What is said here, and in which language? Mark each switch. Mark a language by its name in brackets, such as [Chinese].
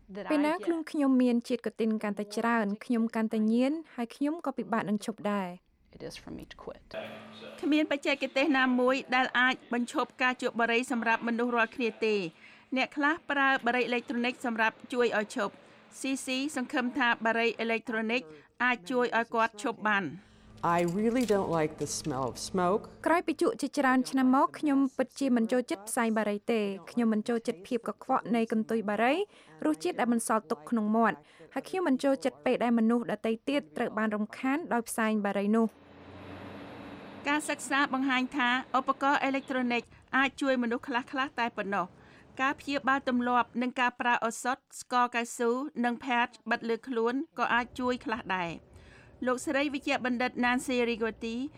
[Khmer] ពេលណាខ្លួនខ្ញុំមានជាតិកូទីនកាន់តែច្រើនខ្ញុំកាន់តែញៀនហើយខ្ញុំក៏ពិបាកនឹងឈប់ដែរ គ្មានបច្ចេកទេសណាមួយដែលអាចបញ្ឈប់ការជក់បារីសម្រាប់មនុស្សរាល់គ្នាទេអ្នកខ្លះប្រើបារីអេឡិចត្រូនិកសម្រាប់ជួយឲ្យឈប់ CC សង្ឃឹមថាបារីអេឡិចត្រូនិកអាចជួយឲ្យគាត់ឈប់បាន [English] I really don't like the smell of smoke. [Khmer] ក្រោយពីជក់ជាច្រើនឆ្នាំមកខ្ញុំពិតជាមិនចូលចិត្តផ្សែងបារីទេខ្ញុំមិនចូលចិត្តភាពកខ្វក់នៃកន្ទុយបារីរសជាតិដែលមិនសល់ទុកក្នុងមាត់ហើយខ្ញុំមិនចូលចិត្តពេលដែលមនុស្សដទៃទៀតត្រូវបានរំខានដោយផ្សែងបារីនោះ ការសិក្សាបង្ហាញថាឧបករណ៍អេឡិចត្រូនិកអាចជួយមនុស្សខ្លះៗតែប៉ុណ្ណោះការព្យាបាលទម្លាប់និងការប្រើអសតស្កលកៅស៊ូនិងផាតបិទលើខ្លួនក៏អាចជួយខ្លះដែរលោកស្រីវិជ្ជបណ្ឌិត Nancy Rigotti